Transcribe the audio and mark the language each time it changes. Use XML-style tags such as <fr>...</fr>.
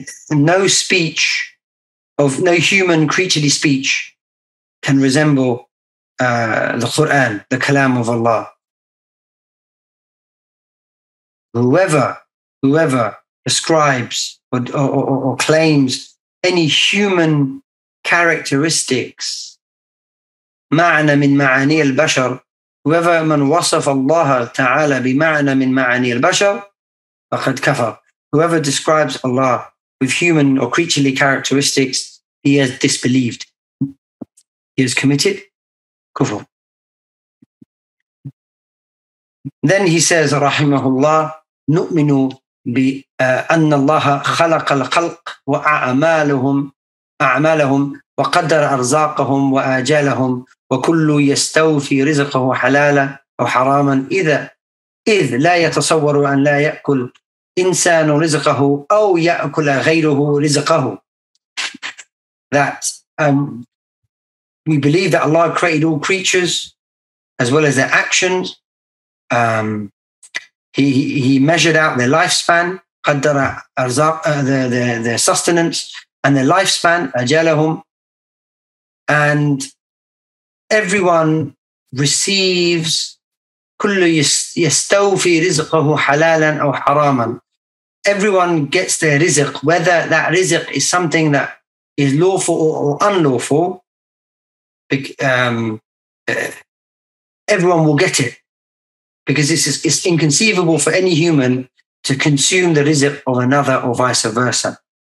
<en>No speech of no human creaturely speech can resemble the Quran, the Kalam of Allah. Whoever ascribes or claims any human characteristics,</en> <ar>معنى من معاني البشر,</ar> <en>whoever</en> <ar>من وصف الله تعالى بمعنى من معاني البشر فقد كفر.</ar> <en>Whoever describes Allah with human or creaturely characteristics, he has disbelieved. He has committed kufr. Then he says,</en> <ar>rahimahullah, نؤمن بأن الله خلق الخلق وأعمالهم وقدر أرزاقهم وآجالهم وكل يستوفي رزقه حلالا أو حراما إذ لا يتصور أن لا يأكل إنسان رزقه أو يأكل غيره رزقه.</ar> <en>That we believe that Allah created all creatures as well as their actions. He measured out their lifespan,</en> <ar>قدر أرزاق,</ar> <en>their sustenance and their lifespan,</en> <ar>أجلهم.</ar> <en>And everyone receives,</en> <ar>كل يستوفي رزقه حلالا أو حراما.</ar> <en>Everyone gets their rizq, whether that rizq is something that is lawful or unlawful, everyone will get it. Because it's inconceivable for any human to consume the rizq of another or vice versa.</en>